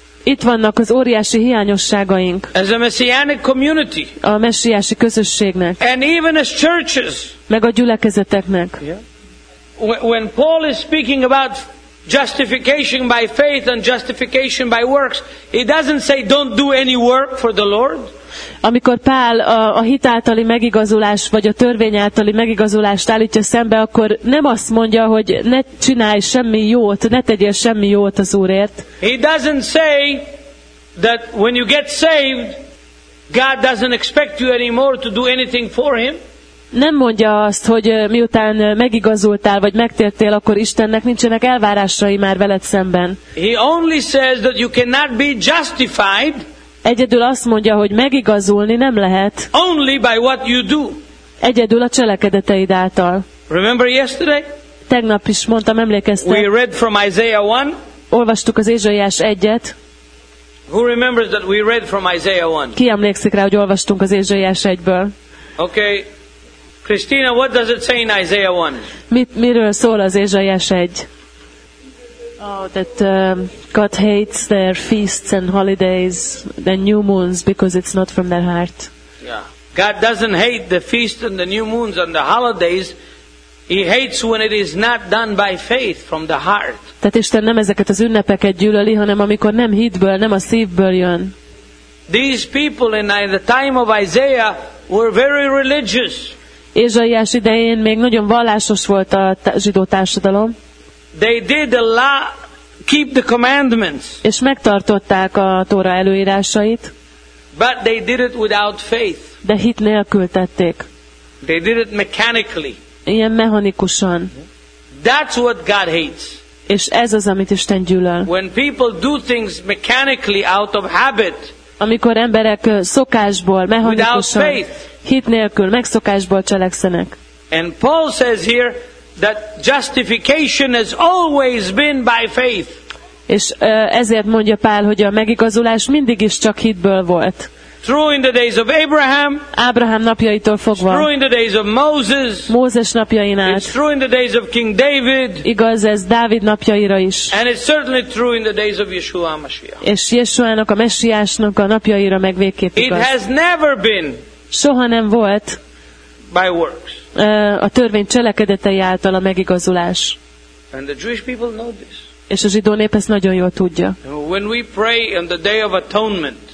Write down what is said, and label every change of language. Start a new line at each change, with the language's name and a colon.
Hungarian: Itt vannak az óriási hiányosságaink.
English: As a messianic community.
Hungarian: A messiási közösségnek.
English: And even as churches.
Hungarian: Meg a gyülekezeteknek.
English: Yeah. When Paul is speaking about justification by faith and justification by works, he doesn't say don't do any work for the Lord.
Hungarian: Amikor Pál a hit általi megigazulás vagy a törvény általi megigazulást állítja szembe, akkor nem azt mondja, hogy ne csinálj semmi jót, ne tegyél semmi jót az Úrért.
English: He doesn't say that when you get saved, God doesn't expect you anymore to do anything for him.
Hungarian: Nem mondja azt, hogy miután megigazultál vagy megtértél, akkor Istennek nincsenek elvárásai már veled szemben.
English: He only says that you cannot be justified.
Hungarian: Egyedül azt mondja, hogy megigazulni nem lehet.
English: Only by what you do.
Hungarian: Egyedül a cselekedeteid által.
English: Remember yesterday?
Hungarian: Tegnap is mondtam, emlékeztem.
English: We read from Isaiah 1.
Hungarian: Olvastuk az Ézsaiás 1-et.
English: Who remembers that we read from Isaiah 1?
Hungarian: Ki emlékszik rá, hogy olvastunk az Ézsaiás 1-ből?
English: Okay. Christina, what does it say in Isaiah 1?
Hungarian: Miről szól az Ézsaiás 1?
English: Oh, that God hates their feasts and holidays, the new moons, because it's not from their heart. Yeah. God doesn't hate the feasts and the new moons and the holidays. He hates when it is not done by faith from the heart.
Hungarian: Tehát Isten nem ezeket az ünnepeket gyűlöli, hanem amikor nem hitből, nem a szívből jön.
English: These people in the time of Isaiah were very religious.
Hungarian: Ézsaiás idején még nagyon vallásos volt a zsidó társadalom.
English: They did the law, keep the commandments.
Hungarian: És megtartották a Tóra előírásait.
English: But they did it without faith.
Hungarian: De hit nélkül tették.
English: They did it mechanically.
Hungarian: ilyen mechanikusan.
English: That's what God hates.
Hungarian: És ez az, amit Isten gyűlöl.
English: When people do things mechanically out of habit.
Hungarian: Amikor emberek szokásból, mechanikusan, hit nélkül, megszokásból cselekszenek.
English: And Paul says here that justification has always been by faith.
Hungarian: És ezért mondja Pál, hogy a megigazulás mindig is csak hitből volt.
English: True in the days of Abraham.
Hungarian: Abraham napjaitól fogva.
English: True in the days of Moses.
Hungarian: Mózes napjain át.
English: It's true in the days of King David.
Hungarian: Igaz ez Dávid napjaira is.
English: And it's certainly true in the days of Yeshua Mashiach.
Hungarian: És Jeshuának, a Messiásnak a napjaira meg végképp igaz.
English: It has never been.
Hungarian: Soha nem volt.
English: By works.
Hungarian: A törvény cselekedetei által a megigazulás.
English: And the Jewish people know this.
Hungarian: És a zsidó nép ezt nagyon jól tudja.
English: When we pray on the day of atonement.